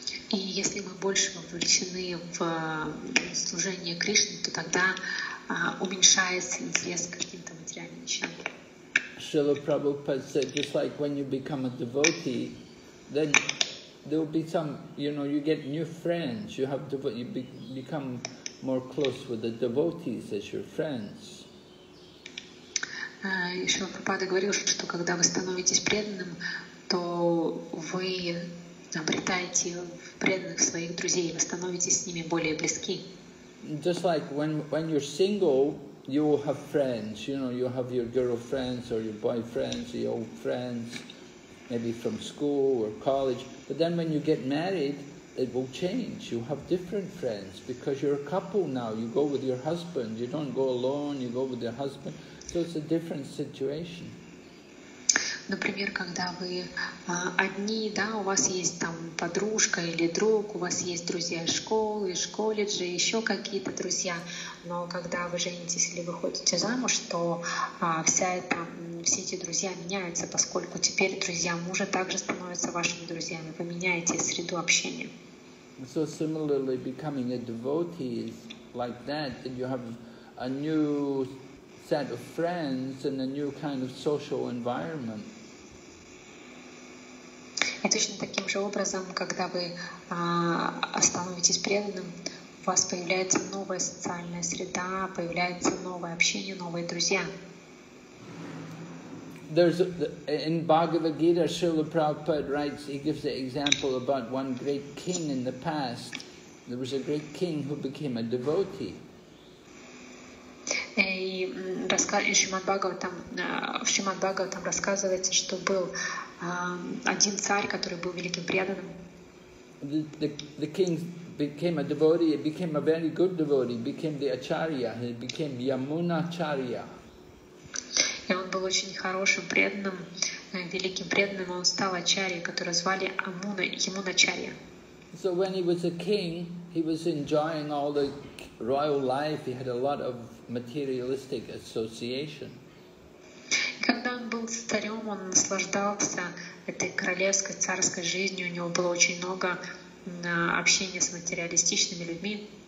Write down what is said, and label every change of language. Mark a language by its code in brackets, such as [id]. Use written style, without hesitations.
[ru] И если мы больше вовлечены в служение Кришне, то тогда уменьшается интерес к каким-то материальным вещам. [en] Шрила Прабхупада said, just like when you become a devotee, then there will be some, you know, you get new friends. You have to become more close with the devotees as your friends. [ru] Шрила Прабхупада говорил, что когда вы становитесь преданным, то вы обретаете в преданных своих друзей, вы становитесь с ними более близки. [en] Just like when you're single, you will have friends, you know, you have your girlfriends or your boyfriends, your old friends, maybe from school or college. But then when you get married, it will change. You have different friends because you're a couple now. You go with your husband. You don't go alone. You go with your husband. So it's a different situation. [ru] Например, когда вы одни, да, у вас есть там подружка или друг, у вас есть друзья из школы, из колледжа, еще какие-то друзья, но когда вы женитесь или выходите замуж, то все эти друзья меняются, поскольку теперь друзья мужа также становятся вашими друзьями, вы меняете среду общения. [en] So similarly, becoming a devotee is like that, and you have a new set of friends and a new kind of social environment. [ru] И точно таким же образом, когда вы становитесь преданным, у вас появляется новая социальная среда, появляется новое общение, новые друзья. [en] In Bhagavad Gita, Srila Prabhupada writes, he gives an example about one great king in the past. There was a great king who became a devotee. [ru] И в Шримад Бхагаватам рассказывается, что был один царь, который был великим преданным. [en] the king became a devotee, he became a very good devotee, became the Acharya, he became Yamunacharya. [ru] И он был очень хорошим преданным, великим преданным, он стал Ачарьей, которого звали Амуна, Ямуначарья. [en] So when he was a king, he was enjoying all the royal life, he had a lot of materialistic association. [ru] Когда он был царем, он наслаждался этой королевской, царской жизнью, у него было очень много общения с материалистичными людьми.